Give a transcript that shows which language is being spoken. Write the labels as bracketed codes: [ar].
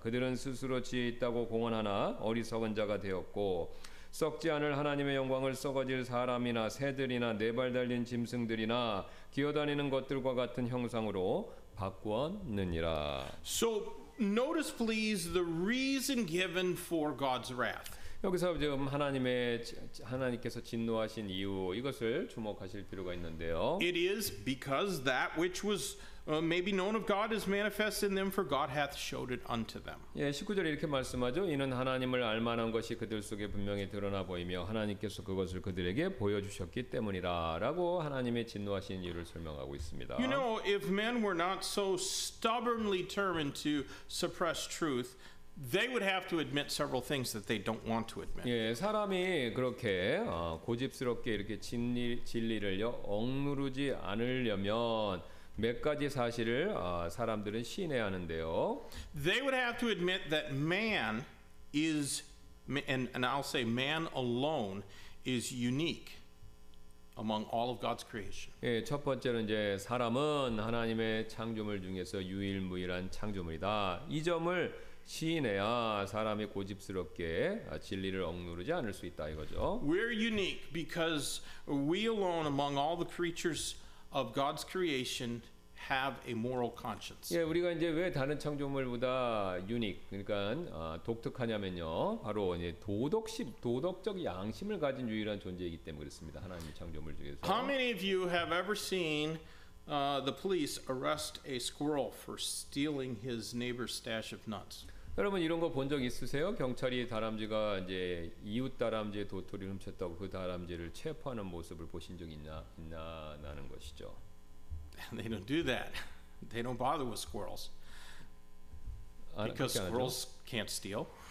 [ko] 그들은 스스로 지혜 있다고 공언하나 어리석은 자가 되었고 썩지 않을 하나님의 영광을 썩어질 사람이나 새들이나 네 발 달린 짐승들이나 기어다니는 것들과 같은 형상으로 바꾸었느니라. [en] So notice please the reason given for God's wrath. [ko] 여기서 지금 하나님께서 진노하신 이유 이것을 주목하실 필요가 있는데요. [en] It is because that which was maybe known of God is manifest in them, for God hath showed it unto them. [ko] 예, 19절에 이렇게 말씀하죠. 이는 하나님을 알만한 것이 그들 속에 분명히 드러나 보이며 하나님께서 그것을 그들에게 보여주셨기 때문이라라고 하나님의 진노하신 이유를 설명하고 있습니다. [en] You know, if men were not so stubbornly determined to suppress truth, they would have to admit several things that they don't want to admit. [ko] 예, 사람이 그렇게 고집스럽게 이렇게 진리를요 억누르지 않으려면 몇 가지 사실을 사람들은 시인해야 하는데요. [en] They would have to admit that man is, and I'll say man alone is unique among all of God's creation. [ko] 예, 첫 번째는 이제 사람은 하나님의 창조물 중에서 유일무이한 창조물이다. 이 점을 시인해야 사람이 고집스럽게 진리를 억누르지 않을 수 있다 이거죠. [en] We're unique because we alone among all the creatures of God's creation have a moral conscience. [ko] 예, 우리가 이제 왜 다른 창조물보다 유닉 그러니까 독특하냐면요. 바로 이제 도덕적 양심을 가진 유일한 존재이기 때문에 그렇습니다. 하나님 창조물 중에서. [en] How many of you have ever seen the police arrest a squirrel for stealing his neighbor's stash of nuts? [ko] 여러분 이런 거 본 적 있으세요? 경찰이 다람쥐가 이제 이웃 다람쥐의 도토리를 훔쳤다고 그 다람쥐를 체포하는 모습을 보신 적 있나 나는 것이죠. [en] They don't do that. They don't bother with squirrels. Because squirrels can't steal.